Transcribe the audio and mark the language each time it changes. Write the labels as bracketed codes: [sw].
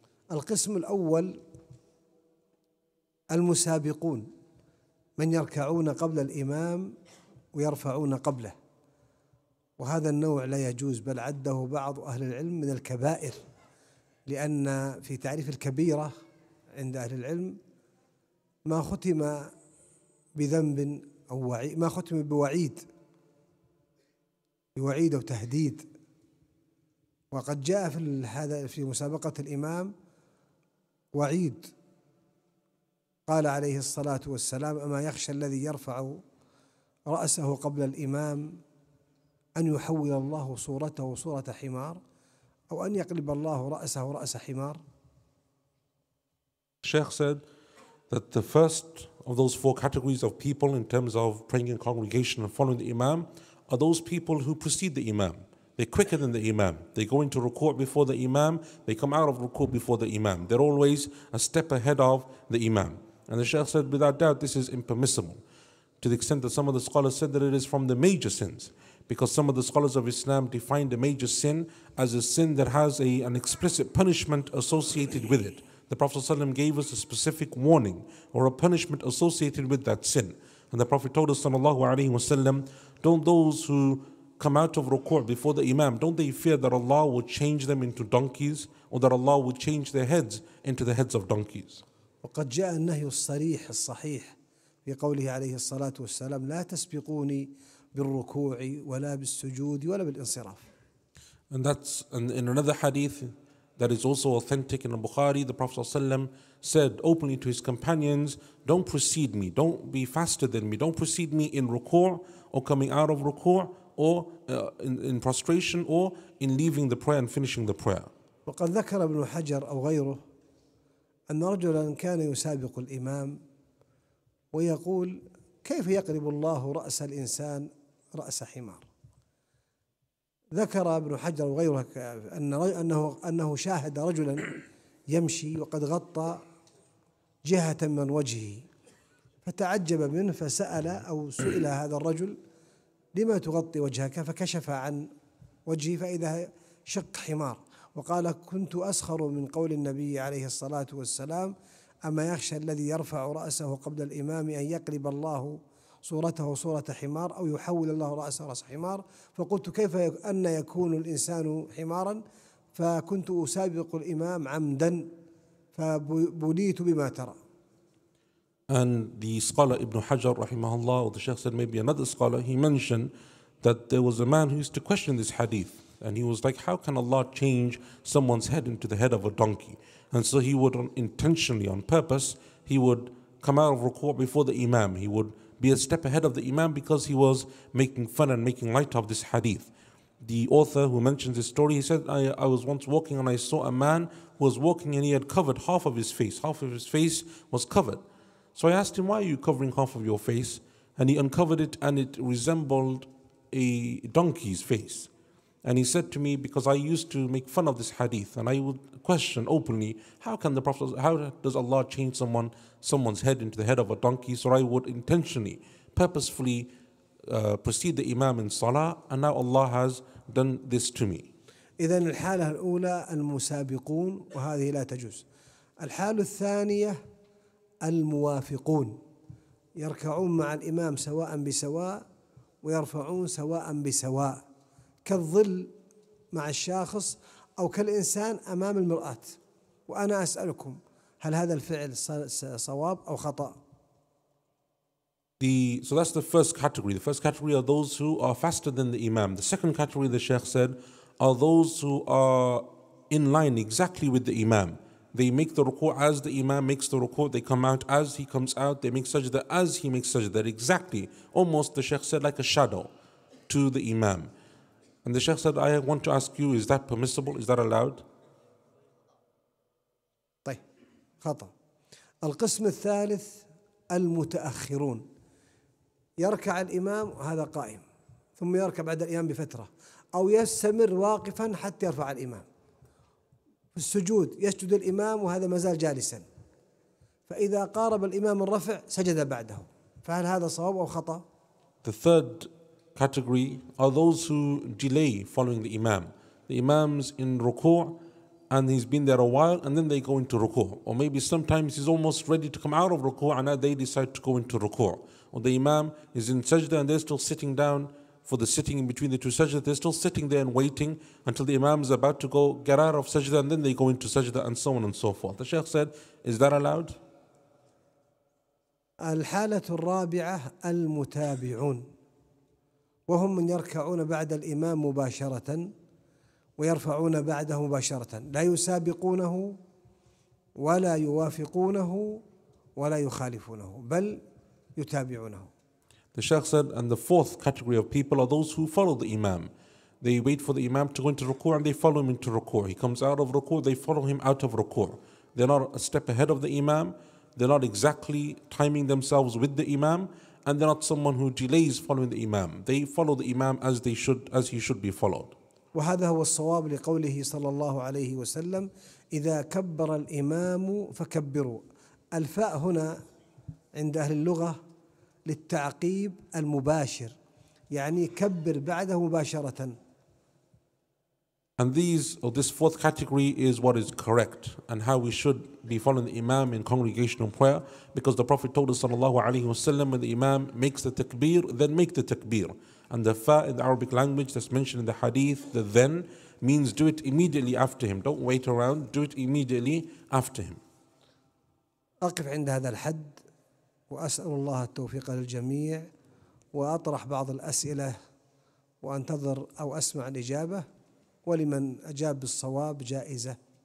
[ar] القسم الأول المسابقون، من يركعون قبل الإمام ويرفعون قبله، وهذا النوع لا يجوز، بل عده بعض أهل العلم من الكبائر، لأن في تعريف الكبيرة عند أهل العلم ما ختم بذنب أو وعيد، ما ختم بوعيد أو تهديد. وقد جاء في هذا في مسابقة الإمام وعيد، قال عليه الصلاة والسلام: أما يخشى الذي يرفع رأسه قبل الإمام أن يحول الله صورته صورة حمار، أو أن يقلب الله رأسه رأس حمار. [en] Sheikh said that the first of those four categories of people in terms of praying in congregation and following the Imam are those people who precede the Imam. They're quicker than the Imam. They go into ruku' before the Imam. They come out of ruku' before the Imam. They're always a step ahead of the Imam. And the Sheikh said, without doubt, this is impermissible, to the extent that some of the scholars said that it is from the major sins, because some of the scholars of Islam defined a major sin as a sin that has an explicit punishment associated with it. The Prophet ﷺ gave us a specific warning or a punishment associated with that sin. And the Prophet told us, [ar] sallallahu alayhi wa sallam, [en] don't those who come out of ruku' before the Imam, don't they fear that Allah will change them into donkeys, or that Allah will change their heads into the heads of donkeys? [ar] وقد جاء النهي الصريح الصحيح في قوله عليه الصلاة والسلام: لا تسبقوني بالركوع ولا بالسجود ولا بالانصراف. [en] And that's in another hadith that is also authentic in Bukhari. The Prophet ﷺ said openly to his companions, don't precede me, don't be faster than me, don't precede me in ruku' or coming out of ruku' or in prostration or in leaving the prayer and finishing the prayer. [ar] وقد ذكر ابن حجر أو غيره أن رجلا كان يسابق الإمام ويقول: كيف يقلب الله رأس الإنسان رأس حمار؟ ذكر ابن حجر وغيره أنه شاهد رجلا يمشي وقد غطى جهة من وجهه، فتعجب منه فسأل أو سئل هذا الرجل: لما تغطي وجهك؟ فكشف عن وجهه فإذا شق حمار، وقال: كنت أسخر من قول النبي عليه الصلاة والسلام: أما يخشى الذي يرفع رأسه قبل الإمام أن يقلب الله صورته صورة حمار، أو يحول الله رأسه رأس حمار؟ فقلت: كيف أن يكون الإنسان حمارا؟ فكنت أسابق الإمام عمدا، فبليت بما ترى. [en] And the scholar Ibn Hajar rahimahullah, or the Sheikh said maybe another scholar, he mentioned that there was a man who used to question this hadith, and he was like, how can Allah change someone's head into the head of a donkey? And so he would intentionally, on purpose, he would come out of ruku' before the Imam. He would be a step ahead of the Imam because he was making fun and making light of this hadith. The author who mentions this story, he said, I was once walking and I saw a man who was walking and he had covered half of his face. Half of his face was covered. So I asked him, why are you covering half of your face? And he uncovered it and it resembled a donkey's face. And he said to me, because I used to make fun of this hadith and I would question openly, how does Allah change someone's head into the head of a donkey? So I would intentionally, purposefully precede the Imam in Salah, and now Allah has done this to me. [ar] إذن الحالة الأولى المسابقون وهذه لا تجوز. الحالة الثانية الموافقون يركعون مع الإمام سواء بسواء ويرفعون سواء بسواء كالظل مع الشاخص أو كالإنسان أمام المرآة. وأنا أسألكم هل هذا الفعل صواب أو خطأ؟ [en] So that's the first category. The first category are those who are faster than the Imam. The second category, the Shaykh said, are those who are in line exactly with the Imam. They make the ruku' as the Imam makes the ruku', they come out as he comes out, they make sajda as he makes sajda. Exactly, almost, the Shaykh said, like a shadow to the Imam. And the Shaykh said, I want to ask you, is that permissible? Is that allowed? [ar] طيب خطأ. القسم الثالث المتأخرون يركع الإمام وهذا قائم ثم يركع بعد الإمام بفترة أو يستمر واقفا حتى يرفع الإمام في السجود يسجد الإمام وهذا ما زال جالسا فإذا قارب الإمام الرفع سجد بعده فهل هذا صواب أو خطأ؟ [en] The third category are those who delay following the Imam. The Imam's in ruku' and he's been there a while and then they go into ruku' or maybe sometimes he's almost ready to come out of ruku' and now they decide to go into ruku'. Or the Imam is in sajda and they're still sitting down for the sitting in between the two sajda. They're still sitting there and waiting until the Imam is about to go get out of sajda and then they go into sajda and so on and so forth. The Shaykh said, is that allowed? [ar] الحالة الرابعة المتابعون وهم من يركعون بعد الإمام مباشرة ويرفعون بعده مباشرة لا يسابقونه ولا يوافقونه ولا يخالفونه بل يتابعونه. [en] The Shaykh said, and the fourth category of people are those who follow the Imam. They wait for the Imam to go into ruku' and they follow him into ruku'. He comes out of ruku', they follow him out of ruku'. They're not a step ahead of the Imam. They're not exactly timing themselves with the Imam. And they're not someone who delays following the Imam. They follow the Imam as he should be followed. [ar] وهذا هو الصواب لقوله صلى الله عليه وسلم إذا كبر الإمام فكبروا. الفاء هنا عند أهل اللغة للتعقيب المباشر يعني كبر بعده مباشرة. [en] And this fourth category is what is correct and how we should be following the Imam in congregational prayer because the Prophet told us [ar] صلى الله عليه وسلم [en] when the Imam makes the takbir then make the takbir and the fa in the Arabic language that's mentioned in the hadith the then means do it immediately after him don't wait around do it immediately after him. [ar] أقف عند هذا الحد وأسأل الله التوفيق للجميع وأطرح بعض الأسئلة وأنتظر أو أسمع الإجابة ولمن أجاب بالصواب جائزة.